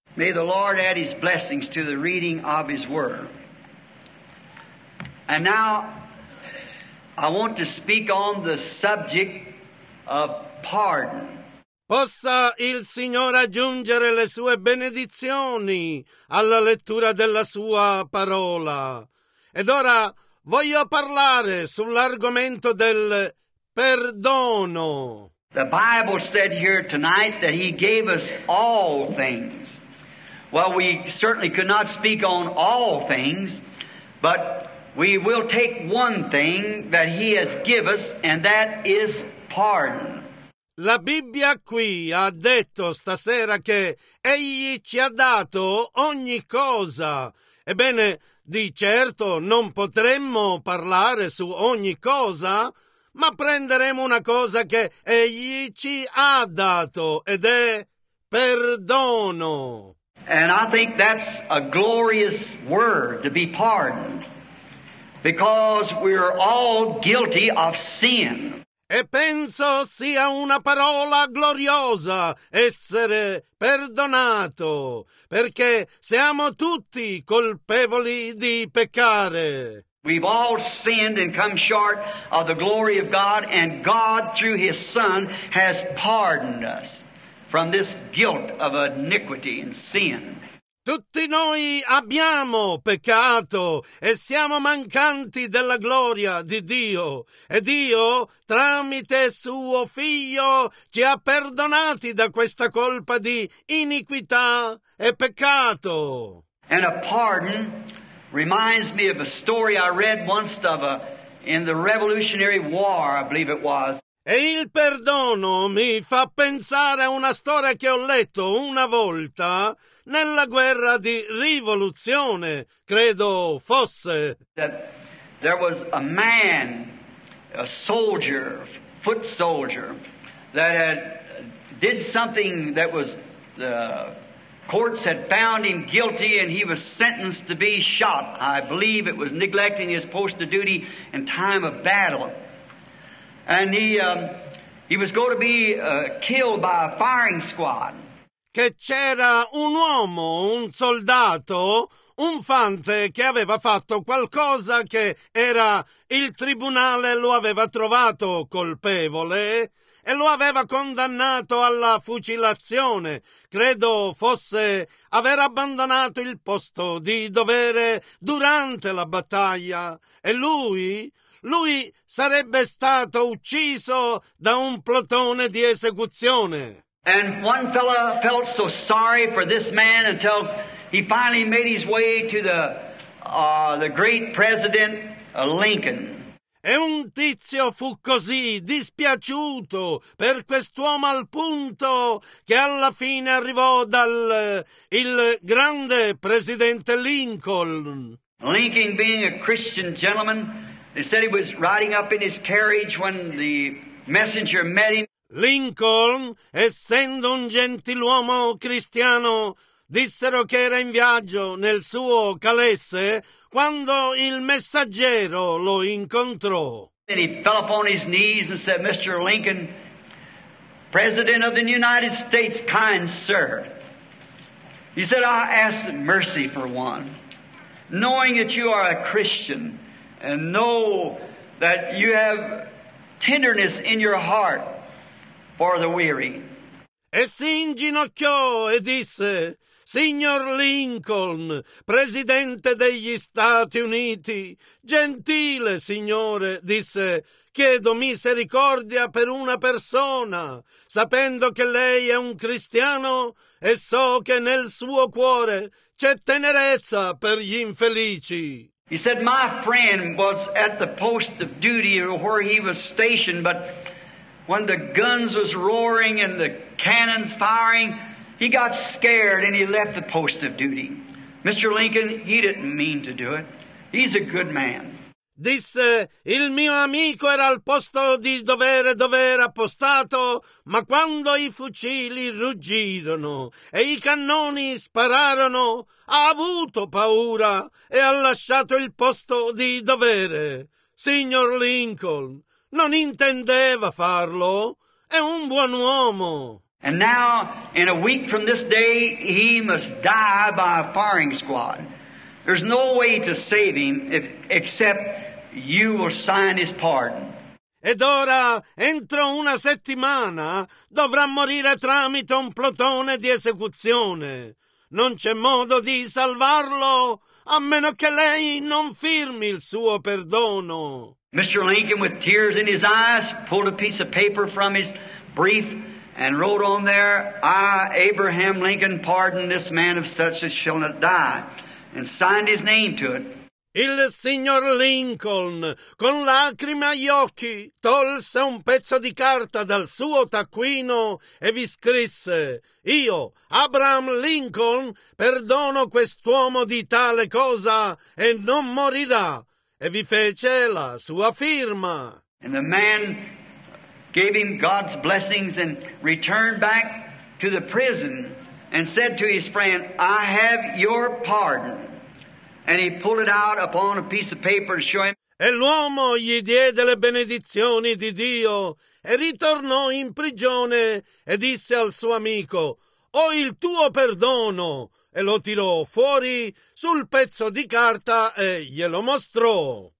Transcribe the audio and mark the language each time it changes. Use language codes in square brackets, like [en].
[en] May the Lord add his blessings to the reading of his word. And now, I want to speak on the subject of pardon. [it] Possa il Signore aggiungere le sue benedizioni alla lettura della sua parola. Ed ora voglio parlare sull'argomento del perdono. [en] The Bible said here tonight that he gave us all things. Well, we certainly could not speak on all things, but we will take one thing that he has given us, and that is pardon. [it] La Bibbia qui ha detto stasera che egli ci ha dato ogni cosa. Ebbene, Di certo non potremmo parlare su ogni cosa, ma prenderemo una cosa che egli ci ha dato, ed è perdono. [en] And I think that's a glorious word, to be pardoned, because we're all guilty of sin. [it] E penso sia una parola gloriosa essere perdonato, perché siamo tutti colpevoli di peccare. [en] We've all sinned and come short of the glory of God, and God through His Son has pardoned us from this guilt of iniquity and sin. [it] Tutti noi abbiamo peccato e siamo mancanti della gloria di Dio. E Dio, tramite suo Figlio, ci ha perdonati da questa colpa di iniquità e peccato. [en] And a pardon reminds me of a story I read once of in the Revolutionary War, I believe it was. [it] E il perdono mi fa pensare a una storia che ho letto una volta nella guerra di rivoluzione, credo fosse. [en] That there was a man, a soldier, foot soldier, that had did something that was the courts had found him guilty, and he was sentenced to be shot. I believe it was neglecting his post of duty in time of battle. And he was going to be killed by a firing squad. [it] Che c'era un uomo, un soldato, un fante che aveva fatto qualcosa che era il tribunale lo aveva trovato colpevole e lo aveva condannato alla fucilazione. Credo fosse aver abbandonato il posto di dovere durante la battaglia e lui sarebbe stato ucciso da un plotone di esecuzione. [en] And one fellow felt so sorry for this man until he finally made his way to the great president Lincoln. [it] E un tizio fu così dispiaciuto per quest'uomo al punto che alla fine arrivò dal il grande presidente Lincoln. [en] Lincoln, being a Christian gentleman, they said he was riding up in his carriage when the messenger met him. [it] Lincoln, essendo un gentiluomo cristiano, dissero che era in viaggio nel suo calesse quando il messaggero lo incontrò. [en] And he fell upon his knees and said, "Mr. Lincoln, President of the United States, kind sir," he said, "I ask mercy for one, knowing that you are a Christian and know that you have tenderness in your heart for the weary." [it] E si inginocchiò e disse: "Signor Lincoln, presidente degli Stati Uniti, gentile signore," disse, "chiedo misericordia per una persona, sapendo che lei è un cristiano e so che nel suo cuore c'è tenerezza per gli infelici." [en] He said, "My friend was at the post of duty where he was stationed, but when the guns was roaring and the cannons firing, he got scared and he left the post of duty. Mr. Lincoln, he didn't mean to do it. He's a good man." [it] Disse, "Il mio amico era al posto di dovere dove era appostato, ma quando i fucili ruggirono e i cannoni spararono, ha avuto paura e ha lasciato il posto di dovere. Signor Lincoln, non intendeva farlo, è un buon uomo." [en] And now, in a week from this day, he must die by a firing squad. There's no way to save him except you will sign his pardon. [it] Ed ora, entro una settimana, dovrà morire tramite un plotone di esecuzione. Non c'è modo di salvarlo a meno che lei non firmi il suo perdono. [en] Mr. Lincoln, with tears in his eyes, pulled a piece of paper from his brief and wrote on there, "I, Abraham Lincoln, pardon this man of such as shall not die," and signed his name to it. [it] Il signor Lincoln, con lacrime agli occhi, tolse un pezzo di carta dal suo taccuino e vi scrisse: «Io, Abraham Lincoln, perdono quest'uomo di tale cosa e non morirà». E vi fece la sua firma. [en] And the man gave him God's blessings and returned back to the prison and said to his friend, I have your pardon. And he pulled it out upon a piece of paper to show him. [it] E l'uomo gli diede le benedizioni di Dio e ritornò in prigione e disse al suo amico, ho il tuo perdono. E lo tirò fuori sul pezzo di carta e glielo mostrò.